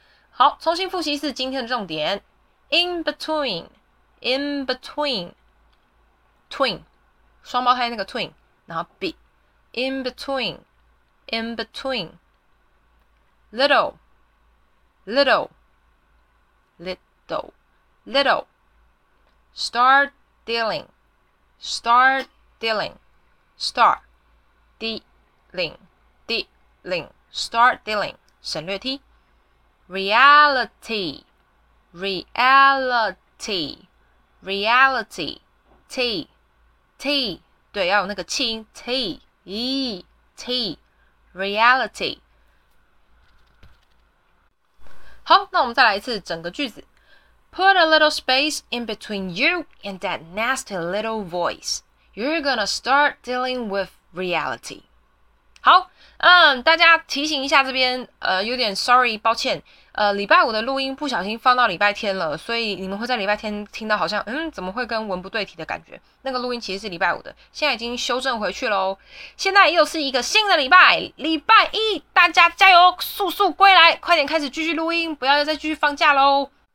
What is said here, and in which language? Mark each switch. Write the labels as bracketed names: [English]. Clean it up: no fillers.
[Chinese] 好，重新复习一次今天的重点。 [English] In between, in between, twin, [Chinese] 双胞胎那个 [English] twin， 然后 b， in between, in between, little, little, little, little, start dealing, start dealing, start dealing, dealing, start dealing， 省略 t， reality。 Reality, reality, T, T， [Chinese] 对，要有那个气音 [English] T, E, T, reality。 [Chinese] 好，那我们再来一次整个句子。 [English] Put a little space in between you and that nasty little voice. You're gonna start dealing with reality. [Chinese] 好，大家提醒一下这边，有点 sorry， 抱歉。礼拜五的录音不小心放到礼拜天了，所以你们会在礼拜天听到好像怎么会跟文不对题的感觉。那个录音其实是礼拜五的，现在已经修正回去了。现在又是一个新的礼拜，礼拜一大家加油，速速归来，快点开始继续录音，不要再继续放假咯。